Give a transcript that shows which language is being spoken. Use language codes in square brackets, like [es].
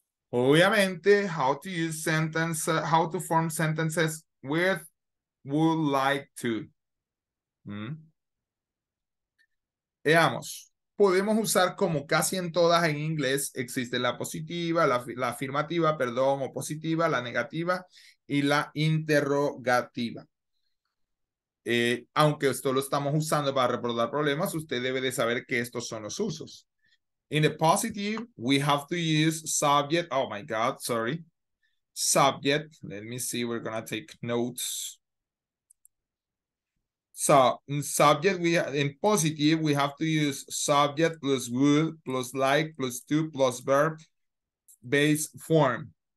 [en] Obviamente, how to use sentence, how to form sentences with would like to. [es] Veamos, podemos usar como casi en todas en inglés, existe la positiva, la afirmativa, perdón, o positiva, la negativa y la interrogativa. Aunque esto lo estamos usando para reportar problemas, usted debe de saber que estos son los usos. [en] In the positive, we have to use subject. Oh my God, sorry. Subject. Let me see. We're going to take notes. So, in subject, in positive, we have to use subject plus would plus like plus to plus verb base form.